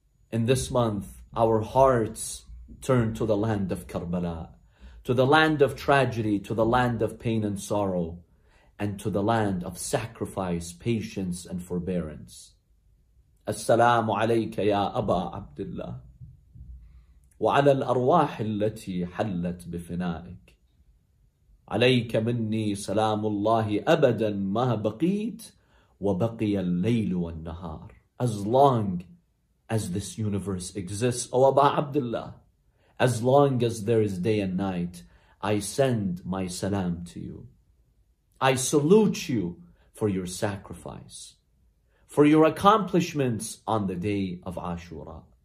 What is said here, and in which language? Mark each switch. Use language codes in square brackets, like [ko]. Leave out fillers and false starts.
[en] In this month, our hearts turn to the land of Karbala, to the land of tragedy, to the land of pain and sorrow, and to the land of sacrifice, patience, and forbearance. [ar] As-salamu alayka ya Aba Abdullah. وعلى الأرواح التي حلت بفنائك عليك مني سلام الله أبدا ما بقيت وبقي الليل والنهار. [en] As long as this universe exists, O Aba Abdullah, as long as there is day and night, I send my salam to you. I salute you for your sacrifice, for your accomplishments on the day of Ashura.